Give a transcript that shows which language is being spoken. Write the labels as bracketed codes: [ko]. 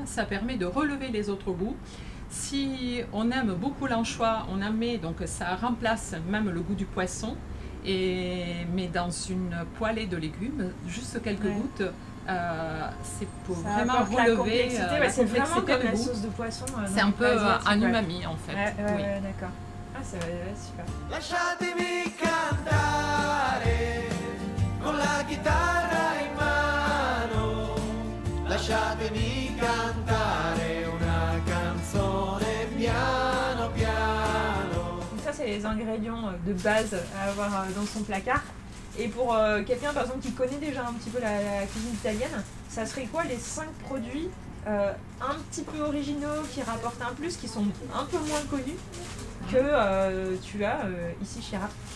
[fr] Ça permet de relever les autres goûts. Si on aime beaucoup l'anchois, on en met, donc ça remplace même le goût du poisson. Et, mais dans une poêlée de légumes, juste quelques gouttes. C'est pour ça vraiment relever la complexité, la c'est complexité vraiment comme la sauce de poisson. C'est un peu un umami en fait. D'accord. Ah, ça va être super. [it] Lasciatemi cantare con la chitarra in mano. Lasciatemi cantare una canzone piano piano. [fr] Donc, ça, c'est les ingrédients de base à avoir dans son placard. Et pour quelqu'un, par exemple, qui connaît déjà un petit peu la cuisine italienne, ça serait quoi les 5 produits un petit peu originaux, qui rapportent un plus, qui sont un peu moins connus que tu as ici chez Rapp?